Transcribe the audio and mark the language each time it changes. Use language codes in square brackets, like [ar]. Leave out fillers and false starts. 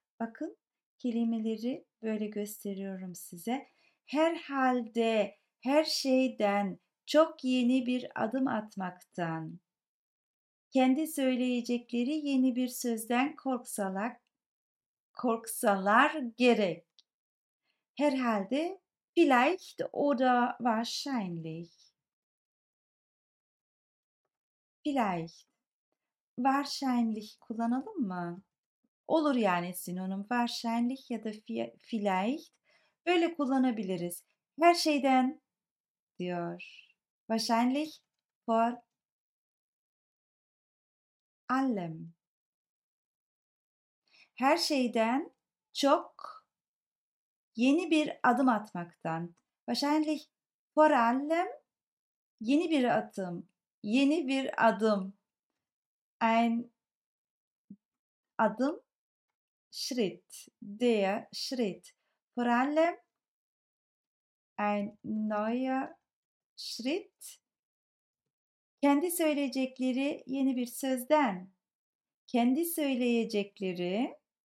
[tr] Bakın kelimeleri böyle gösteriyorum size. Herhalde her şeyden çok yeni bir adım atmaktan, kendi söyleyecekleri yeni bir sözden korksalar gerek. Herhalde. [de] Vielleicht oder wahrscheinlich. Vielleicht. [tr] Wahrscheinlich kullanalım mı? Olur yani sinonim. [de] Wahrscheinlich ya da vielleicht. [tr] Böyle kullanabiliriz. Her şeyden diyor. [de] Wahrscheinlich vor allem. [tr] Her şeyden çok yeni bir adım atmaktan. [de] Wahrscheinlich vor allem [tr] yeni bir adım. Yeni bir adım. [de] Ein [tr] adım. Schritt. [de] Der Schritt. Vor allem ein neuer Schritt. [tr] Kendi söyleyecekleri yeni bir sözden. Kendi söyleyecekleri.